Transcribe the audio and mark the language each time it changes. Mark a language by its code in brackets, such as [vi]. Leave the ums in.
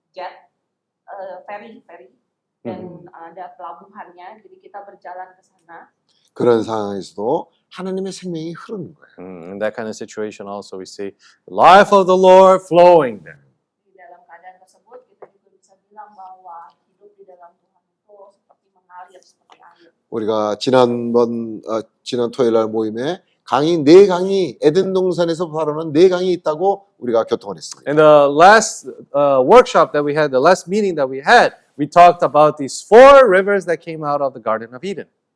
[id] m e i k dan ada pelabuhannya, jadi kita berjalan ke sana. [ko] 그런 상황에서도 하나님의 생명이 흐르는 거예요. [en] Mm, in that kind of situation also we see the life of the Lord flowing there. [id] 이 dalam keadaan tersebut kita juga bisa bilang bahwa hidup di dalam Tuhan itu seperti mengalir seperti air. [ko] 우리가 지난번 어, 지난 토요일 날 모임에 강이 네 강이 에덴 동산에서 바로는 네 강이 있다고 우리가 교통을 했습니다. [en] In the last uh, workshop that we had, the last meeting that we had, we talked about these four rivers that came out of the Garden of Eden.